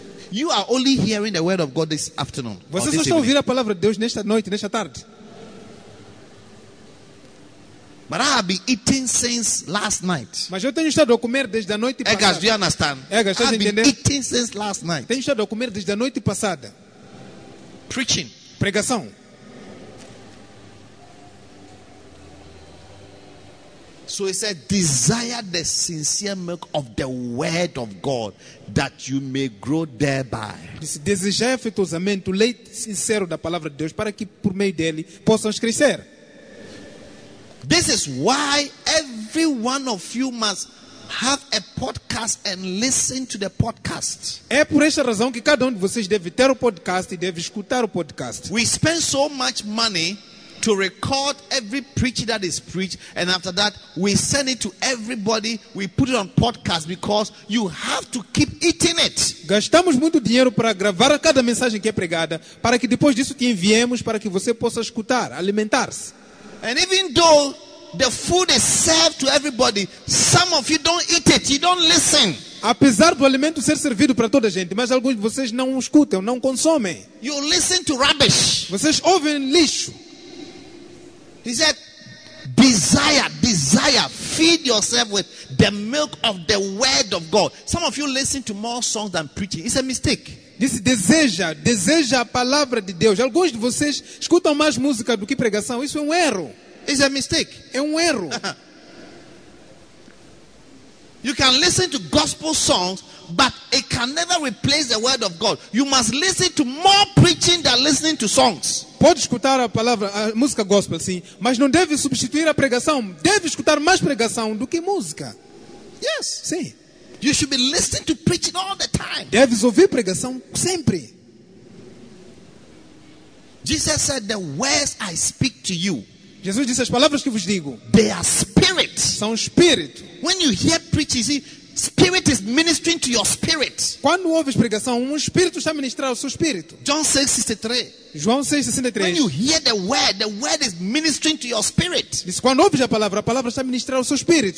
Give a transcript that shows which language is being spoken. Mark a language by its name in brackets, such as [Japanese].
[English] You are only hearing the word of God this afternoon. [Portuguese] Você só está ouvindo a palavra de Deus nesta noite, nesta tarde. [English] But I have been eating since last night. [Portuguese] Mas eu tenho estado a comer desde a noite passada. [English] Egas, do you understand? Egas, I've been eating since last night. [Portuguese] Tenho estado a comer desde a noite passada. [English] Preaching. [Portuguese] Pregação. [English] So he said, desire the sincere milk of the word of God that you may grow thereby. [Portuguese] Desejar afetuosamente o leite sincero da palavra de Deus para que por meio dele possam crescer. [English] This is why every one of you must have a podcast and listen to the podcast. [Portuguese] É por essa razão que cada de vocês deve ter o podcast e deve escutar o podcast. [English] We spend so much money to record every preacher that is preached, and after that we send it to everybody, we put it on podcast because you have to keep eating it. [Portuguese] Gastamos muito dinheiro para gravar cada mensagem que é pregada, para que depois disso que enviemos para que você possa escutar, alimentar-se. [English] And even though the food is served to everybody, some of you don't eat it, you don't listen. [Portuguese] Apesar do alimento ser servido para toda a gente, mas alguns de vocês não escutam, não consomem. [English] You listen to rubbish. [Portuguese] Vocês ouvem lixo. [English] He said, desire, desire, feed yourself with the milk of the word of God. Some of you listen to more songs than preaching. It's a mistake. [Portuguese] Disse, deseja, deseja a palavra de Deus. Alguns de vocês escutam mais música do que pregação. Isso é um erro. [English] It's a mistake. [Portuguese] É um erro. [English] You can listen to gospel songs, but it can never replace the word of God. You must listen to more preaching than listening to songs. [Portuguese] Pode escutar a palavra, a música gospel, sim, mas não deve substituir a pregação. Deve escutar mais pregação do que música. [English] Yes. [Portuguese] Sim. [English] You should be listening to preaching all the time. [Portuguese] Deves ouvir pregação sempre. [English] Jesus said, "The words I speak to you." [Portuguese] Jesus disse, as palavras que vos digo, [English] they are spirit. [Portuguese] São espírito. [English] When you hear preaching, see, spirit is ministering to your spirit. [Portuguese] Quando ouves pregação, espírito está a ministrar ao seu espírito. João 6:63. [English] When you hear the word is ministering to your spirit. [Portuguese] Diz, quando ouves a palavra está a ministrar ao seu espírito.